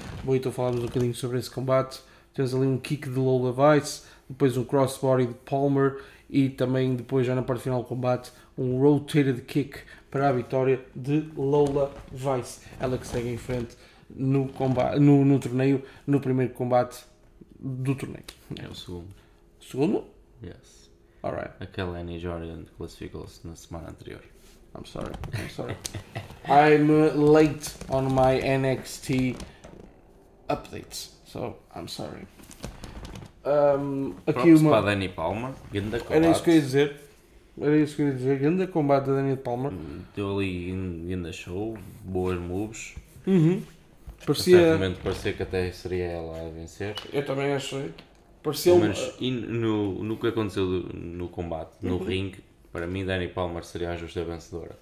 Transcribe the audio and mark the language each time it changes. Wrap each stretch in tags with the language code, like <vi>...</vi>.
<pt>Bom, então falámos um bocadinho sobre esse combate. Temos ali um kick de Lola Vice, depois um crossbody de Palmer e também depois, já na parte final do combate, um rotated kick para a vitória de Lola Vice. Ela que segue em frente no combate, no torneio, no primeiro combate do torneio. É o segundo. Segundo?</pt> <en>Yes. Alright.</en> <pt>Aquela Lenny Jordan classificou-se na semana anterior.</pt> <en>I'm sorry. I'm late on my NXT updates, so I'm sorry.</en> <pt>Aqui props uma... para Danny Palmer, grande combate. Era isso que eu ia dizer, grande combate de Danny Palmer. Deu ali grande show, boas moves. Certamente parecia que até seria ela a vencer. Eu também achei. Mas no que aconteceu no combate, no ring, para mim Dani Palmer seria a justa vencedora.</pt>